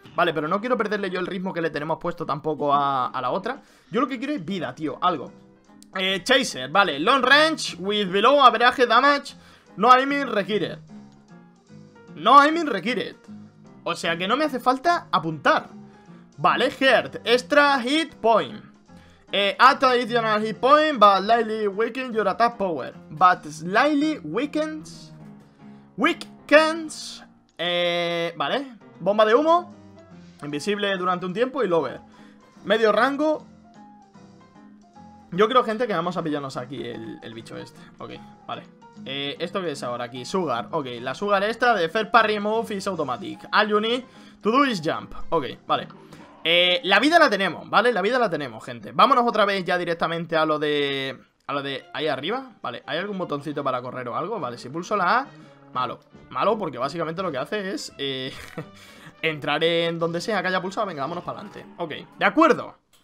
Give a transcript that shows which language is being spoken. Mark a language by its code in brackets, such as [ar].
[es] Vale, pero no quiero perderle yo el ritmo que le tenemos puesto tampoco a la otra. Yo lo que quiero es vida, tío, algo. Chaser, vale, [en] long range with below average damage. No aiming required. No aiming required. [es] O sea que no me hace falta apuntar. [en] Vale, heart, extra hit point. At additional hit point, but slightly weakens your attack power. But slightly weakens. Weakens. Vale. [es] Bomba de humo. Invisible durante un tiempo y lower. Medio rango. Yo creo, gente, que vamos a pillarnos aquí el bicho este. Ok, vale. ¿Esto qué es ahora aquí? Sugar. [en] Ok, [es] la sugar extra de [en] Fair Parry Move is automatic. All you need to do is jump. [es] Ok, vale. La vida la tenemos, ¿vale? La vida la tenemos, gente. Vámonos otra vez ya directamente a lo de... A lo de ahí arriba. Vale, ¿hay algún botoncito para correr o algo? Vale, si pulso la A, malo. Malo porque básicamente lo que hace es... entrar en donde sea que haya pulsado. Venga, vámonos para adelante. Ok, de acuerdo.